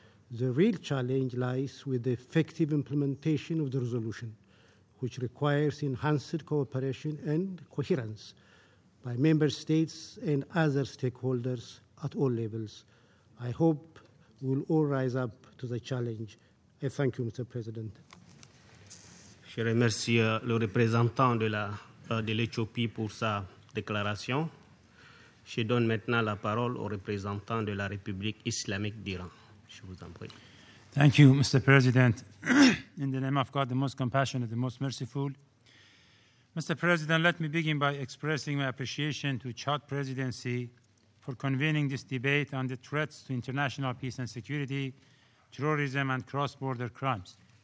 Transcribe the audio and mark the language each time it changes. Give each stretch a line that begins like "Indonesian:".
English: The real challenge lies with the effective implementation of the resolution, which requires enhanced cooperation and coherence by member states and other stakeholders at all levels. I hope we'll all rise up to the challenge. I thank you, Mr. President.
French: Je remercie le représentant de l'Éthiopie pour sa déclaration. Je donne maintenant la parole au représentant de la République islamique d'Iran. Je vous en prie.
English: Thank you, Mr. President. In the name of God, the most compassionate, the most merciful. Mr. President, let me begin by expressing my appreciation to Chad Presidency for convening this debate on the threats to international peace and security, terrorism, and cross-border crimes.